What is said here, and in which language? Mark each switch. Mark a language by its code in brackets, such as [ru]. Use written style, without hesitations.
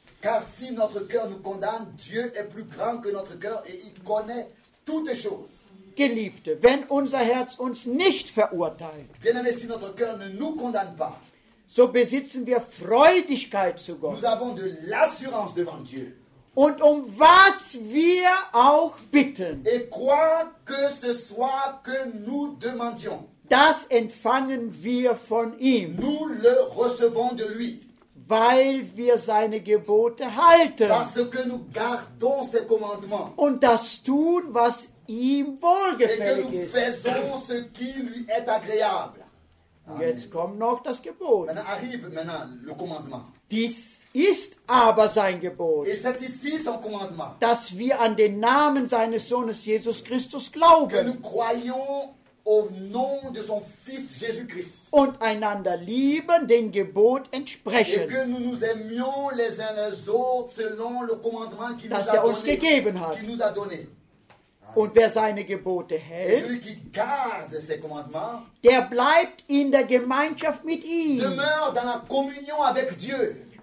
[fr] Car si notre cœur nous condamne, Dieu est plus grand que notre cœur et il connaît toutes choses. [de] Geliebte, wenn unser Herz uns nicht verurteilt, [fr] Bien-aimé, si notre cœur ne nous condamne pas, [de] so besitzen wir Freudigkeit zu Gott. [fr] Nous avons de l'assurance devant Dieu. [de] Und um was wir auch bitten, [fr] et quoi que ce soit que nous demandions, [de] Das empfangen wir von ihm. [fr] Nous le recevons de lui. [de] Weil wir seine Gebote halten. [fr] Parce que nous gardons ses commandements. [de] Und das tun, was ihm wohlgefällig ist. [fr] Et que nous faisons ce qui lui est agréable. [de] Jetzt Amen. Kommt noch das Gebot. Dann [fr] arrive maintenant le commandement. [de] Dies ist aber sein Gebot, [fr] et c'est ici son commandement. [de] Dass wir an den Namen seines Sohnes Jesus Christus glauben. [fr] Que nous croyons au nom de son fils Jésus-Christ. [de] Und einander lieben, den Gebot entsprechen. [fr] Et que nous nous aimions les uns les autres selon le commandement qu'il [de] das [fr] nous a donné. [de] Hat. [fr] Qu'il nous a donné. [de] Und wer seine Gebote hält, [fr] et celui qui garde ses commandements, [de] der bleibt in der Gemeinschaft mit ihm. [fr] Demeure dans la communion avec Dieu.